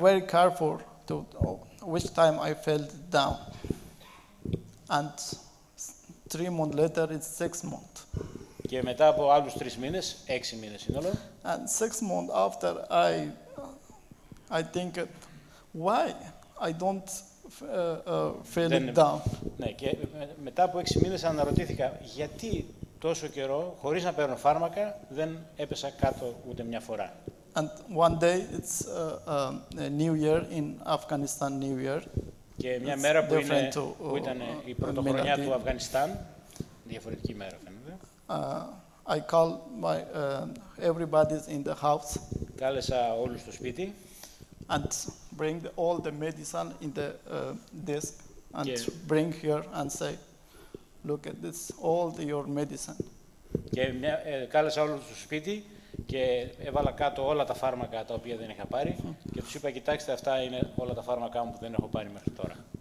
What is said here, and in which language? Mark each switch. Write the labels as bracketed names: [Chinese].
[English] And very careful to which time I fell down. And 3 months later it's 6 months. [Greek] Και μετά από άλλους 3 μήνες, 6 μήνες σύνολο. [English] And 6 months after I think it, why I don't fell it down. [Greek] Ναι, και μετά από 6 μήνες αναρωτήθηκα γιατί τόσο καιρό χωρίς να παίρνω φάρμακα δεν έπεσα κάτω ούτε μια φορά. [English] And one day it's a New Year in Afghanistan New Year. [Greek] Και μια [English] it's [Greek] μέρα που, είναι, to, που ήταν η πρωτοχρονιά του Αφγανιστάν, διαφορετική μέρα φαίνεται. [English] I call my everybody in the house. [Greek] Κάλεσα όλους στο σπίτι. [English] And bring all the medicine in the desk and yeah. Bring here and say, look at this, all the, your medicine. [Greek] Και μια, κάλεσα όλους στο σπίτι. Και έβαλα κάτω όλα τα φάρμακα τα οποία δεν είχα πάρει και τους είπα, κοιτάξτε, αυτά είναι όλα τα φάρμακά μου που δεν έχω πάρει μέχρι τώρα.